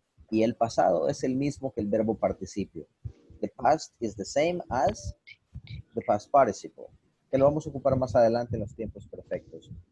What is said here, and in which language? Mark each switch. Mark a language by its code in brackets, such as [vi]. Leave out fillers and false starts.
[es] Y el pasado es el mismo que el verbo participio. [en] The past is the same as the past participle. [es] Que lo vamos a ocupar más adelante en los tiempos perfectos.